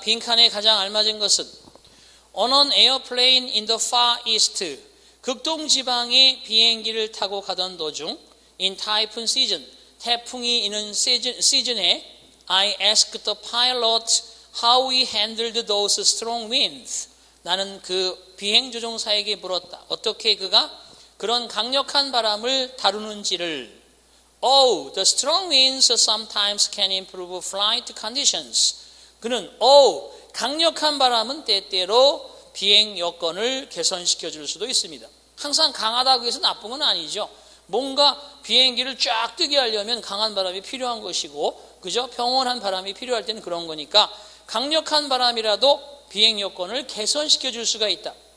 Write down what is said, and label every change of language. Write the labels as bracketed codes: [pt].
[ko] 빈칸에 가장 알맞은 것은 [en] On an airplane in the far east, [ko] 극동지방에 비행기를 타고 가던 도중 [en] In typhoon season, [ko] 태풍이 있는 시즌에 [en] I asked the pilot how he handled those strong winds. [ko] 나는 그 비행조종사에게 물었다. 어떻게 그가 그런 강력한 바람을 다루는지를. [en] Oh, the strong winds sometimes can improve flight conditions. [ko] 그는 Oh, 강력한 바람은 때때로 비행 여건을 개선시켜 줄 수도 있습니다. 항상 강하다고 해서 나쁜 건 아니죠. 뭔가 비행기를 쫙 뜨게 하려면 강한 바람이 필요한 것이고, 그죠? 평온한 바람이 필요할 때는 그런 거니까 강력한 바람이라도 비행 여건을 개선시켜 줄 수가 있다.